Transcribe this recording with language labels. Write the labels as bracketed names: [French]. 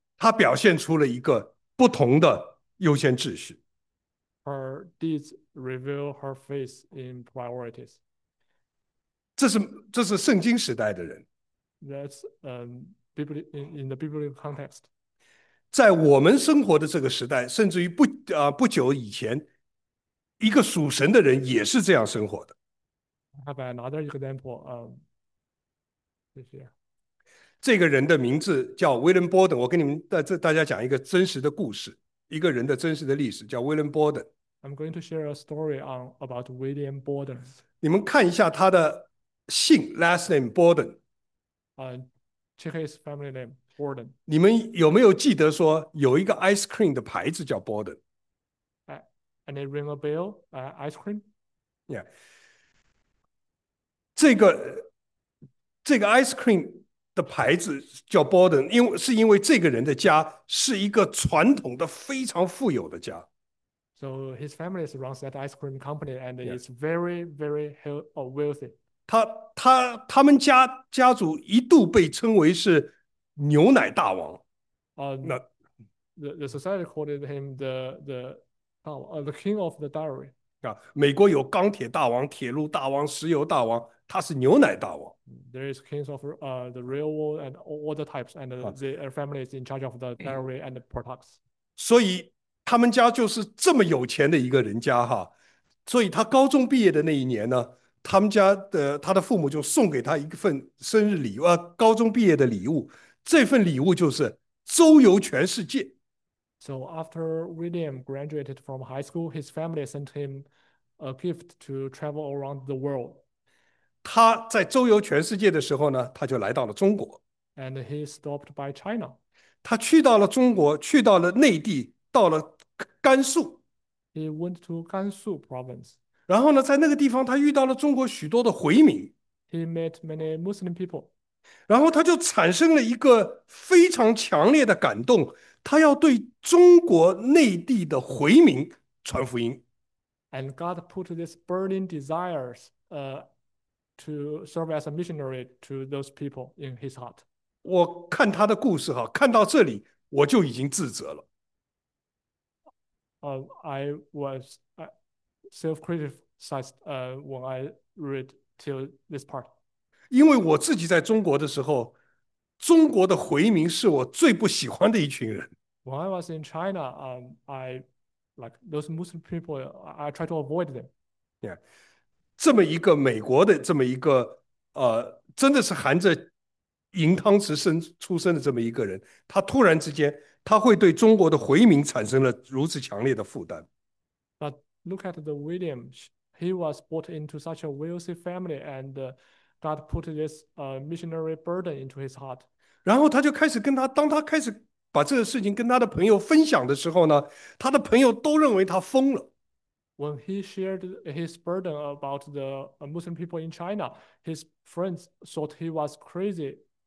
[Chinese] 他表现出了一个不同的优先秩序。 [English] Her deeds reveal her faith in priorities. [Chinese] 这是圣经时代的人。 [English] That's in the biblical context. [Chinese] 在我们生活的这个时代，甚至于不久以前，一个属神的人也是这样生活的。 [English] I have another example. [Chinese] 这个人的名字叫 William Borden，我跟你们大家讲一个真实的故事，一个人的真实的历史，叫 William Borden。 [English] I'm going to share a story about William Borden. [Chinese] 你们看一下他的姓， [English] last name [Chinese] Borden。 [English] Check his family name, Gordon. [Chinese] 你们有没有记得说有一个 ice cream 的牌子叫 Borden？ [English] Any ring a bell? Ice cream? [Chinese] Yeah，这个 ice cream 的牌子叫 Borden，因为这个人的家是一个传统的非常富有的家。 [English] So his family runs that ice cream company, and it's very, very wealthy. [Chinese] 他们家族一度被称为是牛奶大王，那。 [English] The society called him the king of the dairy. [Chinese] 啊，美国有钢铁大王、铁路大王、石油大王，他是牛奶大王。 [English] There is kings of the railroad and all the types, and the families in charge of the dairy and the products. [Chinese] 所以他们家就是这么有钱的一个人家哈。所以他高中毕业的那一年呢，他的父母就送给他一份生日礼物，高中毕业的礼物。这份礼物就是周游全世界。 [English] So after William graduated from high school, his family sent him a gift to travel around the world. [Chinese] 他在周游全世界的时候呢，他就来到了中国。 [English] And he stopped by China. [Chinese] 他去到了中国，去到了内地，到了甘肃。 [English] He went to Gansu province. [Chinese] 然后呢，在那个地方，他遇到了中国许多的回民。 [English] He met many Muslim people. [Chinese] 然后他就产生了一个非常强烈的感动，他要对中国内地的回民传福音。 [English] And God put this burning desires to serve as a missionary to those people in his heart. [Chinese] 我看他的故事哈，看到这里我就已经自责了。 [English] I was self-criticized when I read till this part. [Chinese] 因为我自己在中国的时候，中国的回民是我最不喜欢的一群人。 [English] When I was in China, like those Muslim people, I try to avoid them. [Chinese] Yeah，这么一个美国的这么一个真的是含着。银汤匙出生的这么一个人，他突然之间，他会对中国的回民产生了如此强烈的负担。 [English] But look at the William. He was brought into such a wealthy family, and God put this missionary burden into his heart. [Chinese] 然后他就开始跟他，当他开始把这个事情跟他的朋友分享的时候呢，他的朋友都认为他疯了。 [English] When he shared his burden about the Muslim people in China, his friends thought he was crazy.